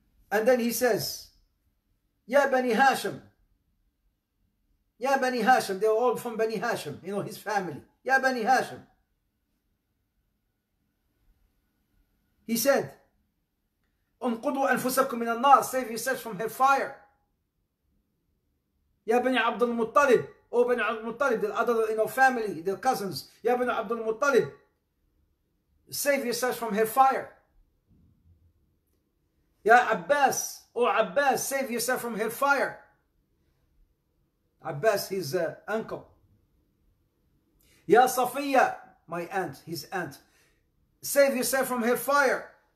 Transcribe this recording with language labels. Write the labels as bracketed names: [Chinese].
[English] And then he says, Ya Bani Hashim. Ya Bani Hashim, they're all from Bani Hashim, you know, his family. Ya Bani Hashim. He said, [Arabic] Unqudu anfusakum min an-nar, [English] save yourselves from her fire. [Arabic] يا بني عبد المطلب أو بني عبد المطلب [English] the other, you know, family, the cousins. [Arabic] يا بني عبد المطلب [English] save yourselves from her fire. [Arabic] يا عباس أو عباس [English] save yourself from her fire. عباس his uncle. يا صفية my aunt, his aunt, save yourself from her fire.